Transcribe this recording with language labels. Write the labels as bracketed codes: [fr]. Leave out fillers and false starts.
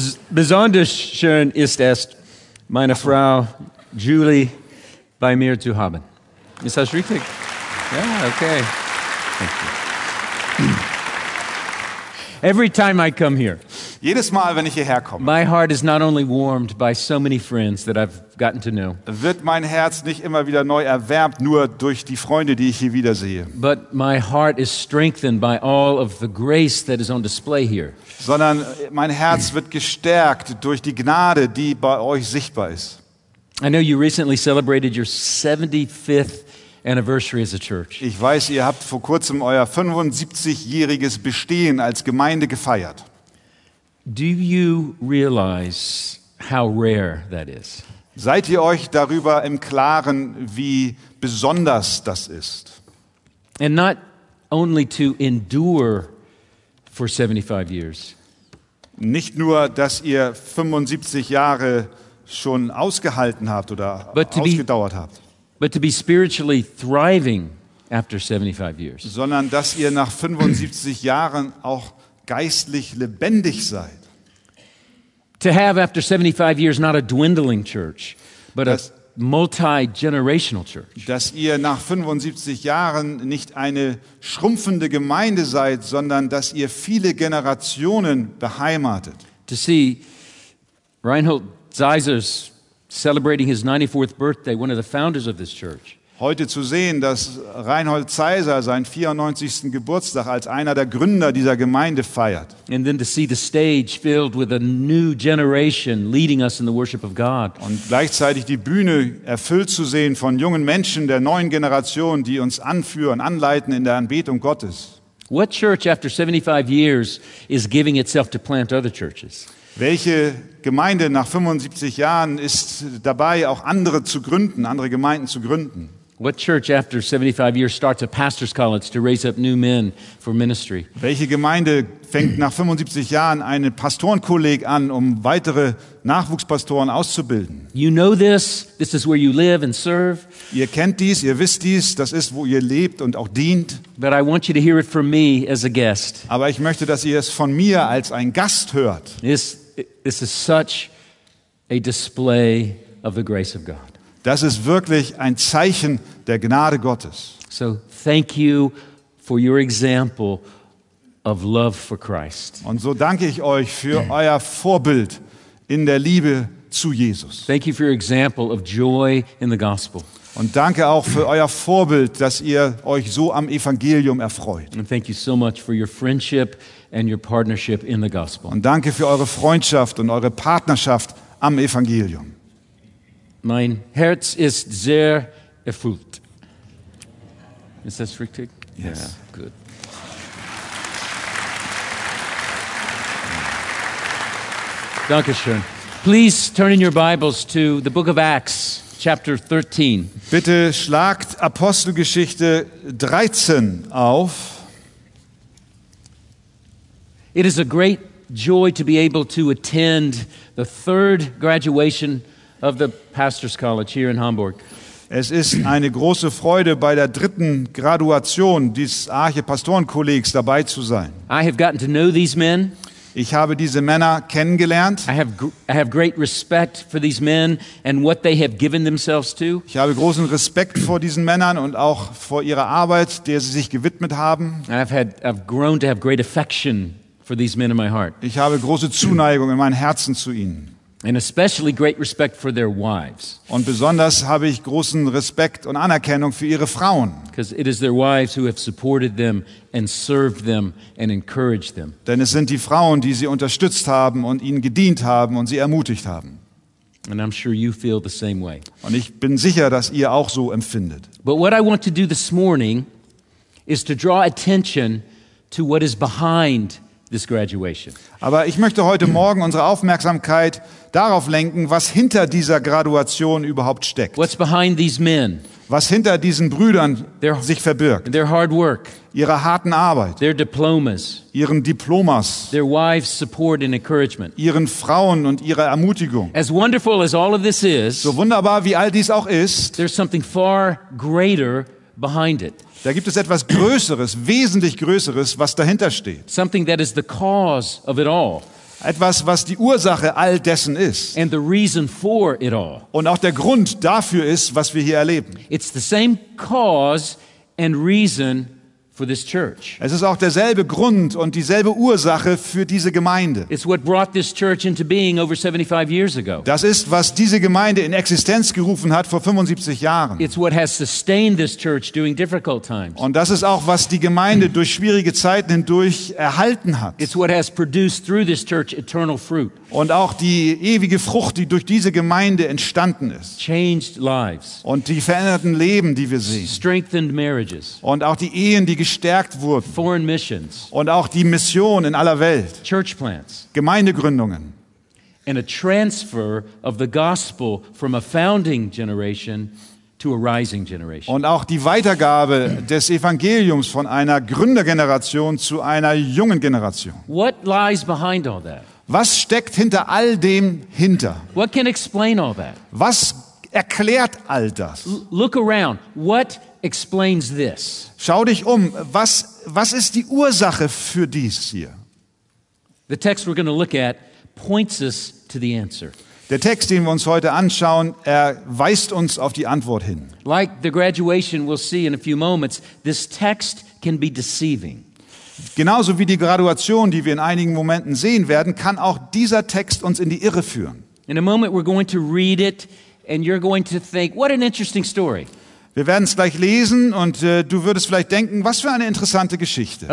[de] Besonders schön ist es, meine Frau Julie bei mir zu haben. Ist das richtig? Ja, okay. [en] Every time I come here, [de] jedes Mal, wenn ich hierher komme, [en] my heart is not only warmed by so many friends that I've gotten to know, [de] wird mein Herz nicht immer wieder neu erwärmt, nur durch die Freunde, die ich hier wieder sehe, [en] but my heart is strengthened by all of the grace that is on display here, [de] sondern mein Herz wird gestärkt durch die Gnade, die bei euch sichtbar ist. [en] I know you recently celebrated your 75th anniversary as a church. [de] Ich weiß, ihr habt vor kurzem euer 75-jähriges Bestehen als Gemeinde gefeiert. [en] Do you realize how rare that is? [de] Seid ihr euch darüber im Klaren, wie besonders das ist? [en] And not only to endure for 75 years. [de] Nicht nur, dass ihr 75 Jahre schon ausgehalten habt oder ausgedauert habt. [en] But to be spiritually thriving after 75 years. [de] Sondern dass ihr nach 75 Jahren auch geistlich lebendig seid. [en] To have after 75 years not a dwindling church, but a multi-generational church. [de] Dass ihr nach 75 Jahren nicht eine schrumpfende Gemeinde seid, sondern dass ihr viele Generationen beheimatet. [en] To see Reinhold Zeiser's celebrating his 94th birthday, one of the founders of this church. [de] Heute zu sehen, dass Reinhold Zeiser seinen 94. Geburtstag als einer der Gründer dieser Gemeinde feiert. [en] And then to see the stage filled with a new generation leading us in the worship of God. [de] Und gleichzeitig die Bühne erfüllt zu sehen von jungen Menschen der neuen Generation, die uns anführen, anleiten in der Anbetung Gottes. [en] What church after 75 years is giving itself to plant other churches? [de] Welche Gemeinde nach 75 Jahren ist dabei, auch andere zu gründen, andere Gemeinden zu gründen? [en] What church after 75 years starts a pastor's college to raise up new men for ministry? [de] Welche Gemeinde fängt nach 75 Jahren einen Pastorenkolleg an, um weitere Nachwuchspastoren auszubilden? [en] You know this. This is where you live and serve. [de] Ihr kennt dies, ihr wisst dies. Das ist, wo ihr lebt und auch dient. [en] But I want you to hear it from me as a guest. [de] Aber ich möchte, dass ihr es von mir als ein Gast hört. [en] This is such a display of the grace of God. [de] Das ist wirklich ein Zeichen der Gnade Gottes. [en] So thank you for your example of love for Christ. [de] Und so danke ich euch für euer Vorbild in der Liebe zu Jesus. [en] Thank you for your example of joy in the gospel. [de] Und danke auch für euer Vorbild, dass ihr euch so am Evangelium erfreut. [en] And thank you so much for your friendship and your partnership in the gospel. [de] Und danke für eure Freundschaft und eure Partnerschaft am Evangelium. Mein Herz ist sehr erfüllt. Ist das richtig? [en] Yes. Yeah, good. [de] Dankeschön. [en] Please turn in your Bibles to the book of Acts, chapter 13. [de] Bitte schlagt Apostelgeschichte 13 auf. [en] It is a great joy to be able to attend the third graduation of the Pastor's College here in Hamburg. [de] Es ist eine große Freude, bei der dritten Graduation des Arche-Pastorenkollegs dabei zu sein. [en] I have gotten to know these men. [de] Ich habe diese Männer kennengelernt. [en] I have great respect for these men and what they have given themselves to. [de] Ich habe großen Respekt vor diesen Männern und auch vor ihrer Arbeit, der sie sich gewidmet haben. [en] I've grown to have great affection for these men in my heart. [de] Ich habe große Zuneigung in meinem Herzen zu ihnen. [en] And especially great respect for their wives. [de] Und besonders habe ich großen Respekt und Anerkennung für ihre Frauen. [en] Because it is their wives who have supported them and served them and encouraged them. [de] Denn es sind die Frauen, die sie unterstützt haben und ihnen gedient haben und sie ermutigt haben. [en] And I'm sure you feel the same way. [de] Und ich bin sicher, dass ihr auch so empfindet. [en] But what I want to do this morning is to draw attention to what is behind this graduation. [de] Aber ich möchte heute Morgen unsere Aufmerksamkeit darauf lenken, was hinter dieser Graduation überhaupt steckt. [en] What's behind these men? [de] Was hinter diesen Brüdern sich verbirgt. [en] Their hard work. [de] Ihre harten Arbeit. [en] Their diplomas. [de] Ihren Diplomas. [en] Their wives' support and encouragement. [de] Ihren Frauen und ihre Ermutigung. [en] As wonderful as all of this is, [de] so wunderbar wie all dies auch ist, [en] there's something far greater behind it. [de] Da gibt es etwas Größeres, wesentlich Größeres, was dahinter steht. [en] Something that is the cause of it all. [de] Etwas, was die Ursache all dessen ist. [en] And the reason for it all. [de] Und auch der Grund dafür ist, was wir hier erleben. [en] It's the same cause and reason for this church. [de] Es ist auch derselbe Grund und dieselbe Ursache für diese Gemeinde. [en] It's what brought this church into being over 75 years ago. [de] Das ist, was diese Gemeinde in Existenz gerufen hat vor 75 Jahren. [en] It's what has sustained this church during difficult times. [de] Und das ist auch, was die Gemeinde durch schwierige Zeiten hindurch erhalten hat. [en] It's what has produced through this church eternal fruit. [de] Und auch die ewige Frucht, die durch diese Gemeinde entstanden ist. [en] Changed lives. [de] Und die veränderten Leben, die wir sehen. [en] Strengthened marriages. [de] Und auch die Ehen, die gestärkt wurden. [en] Foreign missions. [de] Und auch die Mission in aller Welt. [en] Church plants. [de] Gemeindegründungen. [en] And a transfer of the gospel from a founding generation to a rising generation. [de] Und auch die Weitergabe des Evangeliums von einer Gründergeneration zu einer jungen Generation. [en] What lies behind all that? [de] Was steckt hinter all dem hinter? [en] What can explain all that? [de] Was erklärt all das? [en] Look around. What explains this? [de] Schau dich um. Was ist die Ursache für dies hier? [en] The text we're going to look at points us to the answer. [de] Der Text, den wir uns heute anschauen, er weist uns auf die Antwort hin. [en] Like the graduation we'll see in a few moments, this text can be deceiving. [de] Genauso wie die Graduation, die wir in einigen Momenten sehen werden, kann auch dieser Text uns in die Irre führen. [en] In a moment we're going to read it and you're going to think, what an interesting story. [de] Wir werden es gleich lesen und du würdest vielleicht denken, was für eine interessante Geschichte.